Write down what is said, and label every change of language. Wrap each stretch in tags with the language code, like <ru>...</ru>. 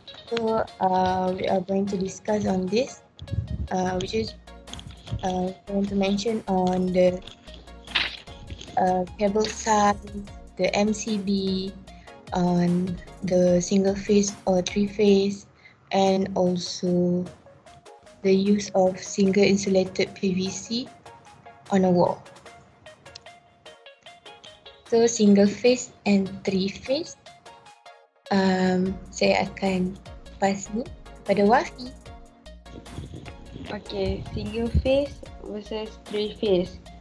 <en>So we are going to discuss on this, which is going to mention on the cable size, the MCB, on the single phase or three phase, and also the use of single insulated PVC on a wall. So single phase and three phase.</en> <ms>Saya akan pas ni pada Wafi.</ms> <en>Okay, single phase versus three phase.</en>